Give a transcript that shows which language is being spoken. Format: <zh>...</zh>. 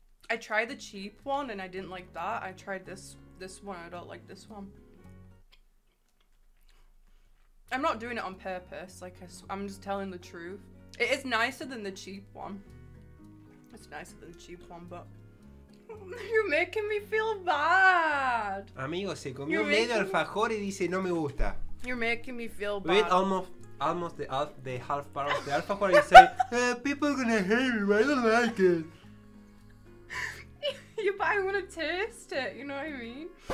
<en>I tried the cheap one and I didn't like that. I tried this one, I don't like this one. I'm not doing it on purpose, like I'm just telling the truth. It is nicer than the cheap one. It's nicer than the cheap one, but you're making me feel bad.</en> <es>Amigo, se comió medio alfajor y dice no me gusta.</es> <en>You're making me feel bad. With almost the half part of the alfajor and say, people are gonna hate me, but I don't like it. Yeah, but I wanna taste it, you know what I mean?</en>